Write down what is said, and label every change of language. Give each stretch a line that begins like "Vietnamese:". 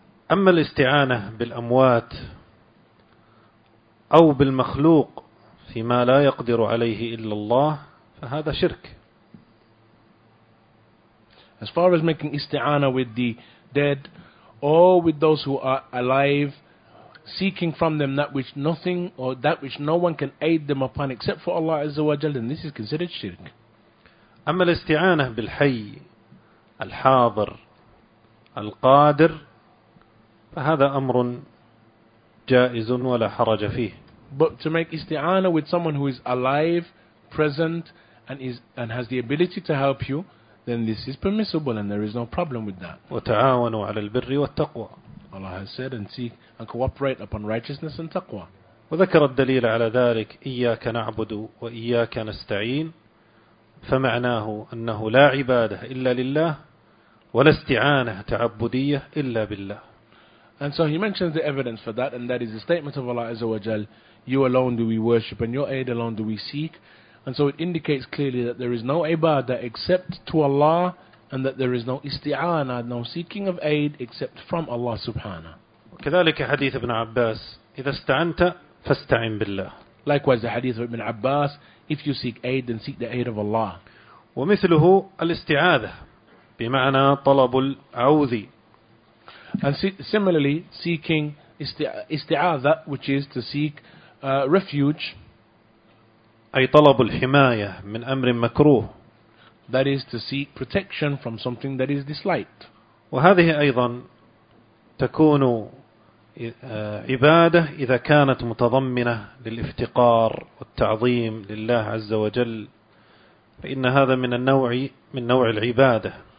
Arabic: أما الاستعانة بالأموات أو بالمخلوق فيما لا يقدر عليه إلا الله فهذا شرك.
English: As far as making isti'ana with the dead or with those who are alive, seeking from them that which nothing or that which no one can aid them upon except for Allah Azza wa Jalla, then this is considered shirk.
Arabic: أما الاستعانة بالحي الحاضر القادر فهذا أمر جائز ولا حرج فيه.
English: But to make isti'ana with someone who is alive, present, and has the ability to help you, then this is permissible and there is no problem with that.
Arabic: وتعاونوا على البر والتقوى.
English: Allah has said and seek and cooperate upon righteousness and taqwa.
Arabic: وذكر الدليل على ذلك إياك نعبد وإياك نستعين فمعناه أنه لا عبادة إلا لله ولا استعانة تعبدية إلا بالله.
English: And so he mentions the evidence for that, and that is the statement of Allah Azza wa Jal, you alone do we worship and your aid alone do we seek. And so it indicates clearly that there is no ibadah except to Allah, and that there is no isti'ana, no seeking of aid except from Allah subhanahu.
Arabic: كذلك حديث ابن عباس إذا استعنت فاستعن بالله.
English: Likewise the hadith of Ibn Abbas, if you seek aid then seek the aid of Allah.
Arabic: ومثله الاستعاذة بمعنى طلب العوذ.
English: And similarly seeking isti'adha, which is to seek refuge.
Arabic: أي طلب الحماية من أمر مكروه.
English: That is to seek protection from something that is disliked.
Arabic: وهذه أيضا تكون عبادة إذا كانت متضمنة للافتقار والتعظيم لله عز وجل فإن هذا من النوع من نوع العبادة.